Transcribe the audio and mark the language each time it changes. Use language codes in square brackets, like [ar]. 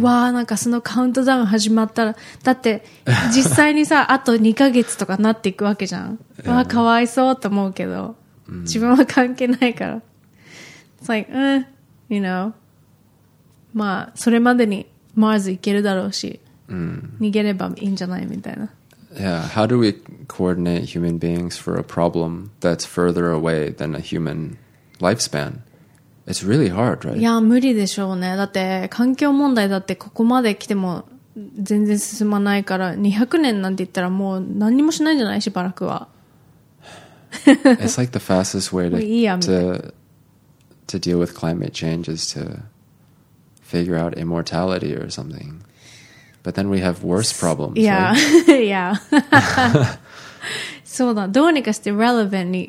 [ja] わあ、なんかそのカウントダウン始まったら、だって実際にさ、あと2ヶ月とかなっていくわけじゃん。 [en] Yeah. [ja] わあ、かわいそうと思うけど、 mm. 自分は関係ないから。 [en] It's like, you know. [ja] まあ、それまでに Mars 行けるだろうし、 mm. 逃げればいいんじゃないみたいな。 [en] Yeah, how do we coordinate human beings for a problem that's further away than a human lifespan? It's really hard, right? [ja] いや、無理でしょうね。だって環境問題だってここまで来ても全然進まないから、200年なんて言ったらもう何もしないんじゃないしばらくは。 [en] It's like the fastest way to deal with climate change is to figure out immortality or something. But then we have worse problems. Yeah, right? [ja] Yeah. そうだ。どうにかして relevant に。